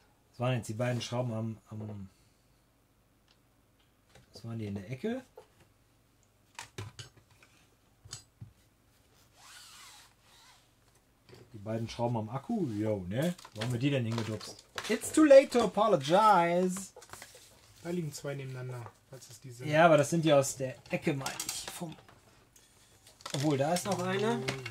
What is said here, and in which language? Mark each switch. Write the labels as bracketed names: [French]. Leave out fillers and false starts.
[German] Das waren jetzt die beiden Schrauben am. Das waren die in der Ecke. Die beiden Schrauben am Akku. Yo, ne? Wo haben wir die denn hingedupst? [English] It's too late to apologize. [German] Da liegen zwei nebeneinander. Ja, aber das sind ja aus der Ecke, meine ich. Vom Obwohl, da ist noch eine.